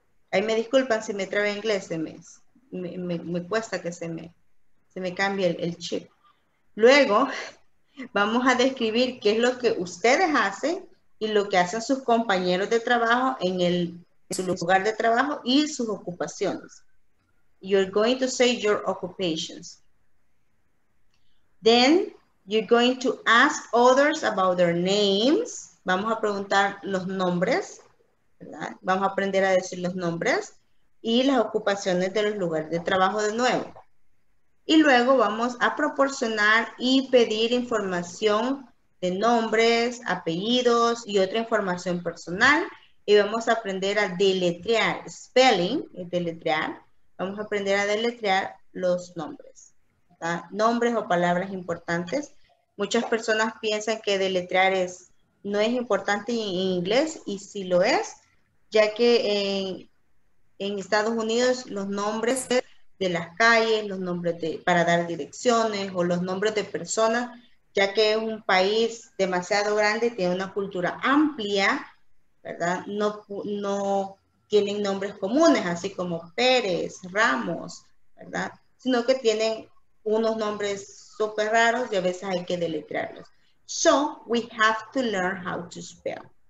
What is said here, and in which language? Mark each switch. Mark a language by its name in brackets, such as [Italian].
[Spanish] Ahí me disculpan si me trabe inglés, me cuesta que se me cambie el chip. Luego, vamos a describir qué es lo que ustedes hacen y lo que hacen sus compañeros de trabajo en su lugar de trabajo y sus ocupaciones. [English] You're going to say your occupations. Then, you're going to ask others about their names. [Spanish] Vamos a preguntar los nombres, ¿verdad? Vamos a aprender a decir los nombres y las ocupaciones de los lugares de trabajo de nuevo. Y luego vamos a proporcionar y pedir información de nombres, apellidos y otra información personal. Y vamos a aprender a deletrear, spelling, deletrear. Vamos a aprender a deletrear los nombres, ¿verdad? Nombres o palabras importantes. Muchas personas piensan que deletrear no es importante en inglés y sí lo es, ya que en Estados Unidos los nombres de las calles, los nombres para dar direcciones o los nombres de personas, ya que es un país demasiado grande, tiene una cultura amplia, ¿verdad? No tienen nombres comunes, así como Pérez, Ramos, ¿verdad? Sino que tienen unos nombres súper raros y a veces hay que deletrearlos. [English] So, we have to learn how to spell.